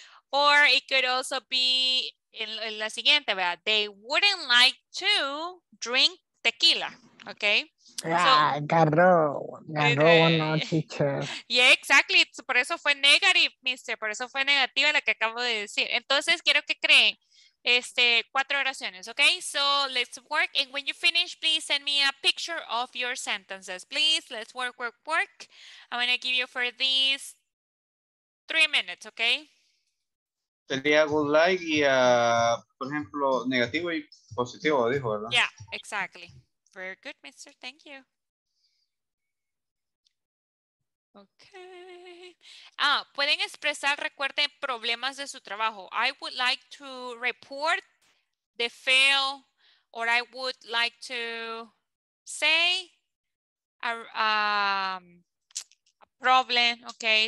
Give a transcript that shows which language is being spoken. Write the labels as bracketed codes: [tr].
[en] Or it could also be [es] en la siguiente, ¿verdad? [en] They wouldn't like to drink tequila, okay? [es] Garrobo, no, teacher. [en] Yeah, exactly. [es] Por eso fue [en] negative, mister. [es] Por eso fue negativa la que acabo de decir. Entonces, quiero que creen 4 oraciones, okay? [en] So, let's work. And when you finish, please send me a picture of your sentences. Please, let's work, work, work. I'm going to give you for these 3 minutes, okay? [es] Sería [en] good like [es] y, por ejemplo, negativo y positivo, dijo, ¿verdad? [en] Yeah, exactly. Very good, mister. Thank you. Okay. [es] Ah, pueden expresar, recuerden, problemas de su trabajo. [en] I would like to report the fail, or I would like to say a problem, okay?